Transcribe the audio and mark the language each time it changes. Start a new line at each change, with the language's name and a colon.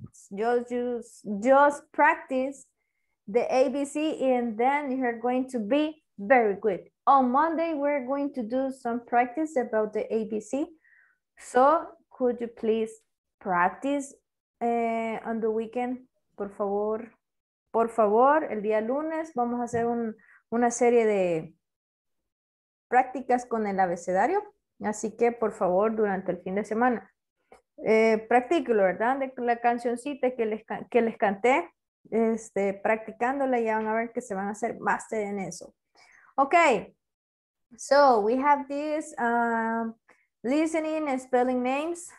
English: Just practice the ABC and then you're going to be very good. On Monday, we're going to do some practice about the ABC. So, could you please practice on the weekend,
Spanish: por favor? Por favor, el día lunes vamos a hacer una serie de prácticas con el abecedario. Así que, por favor, durante el fin de semana. practíquelo, ¿verdad? De la cancioncita que les canté, este, practicándola, ya van a ver que se van a hacer master en eso.
English: Ok, so we have this listening and spelling names.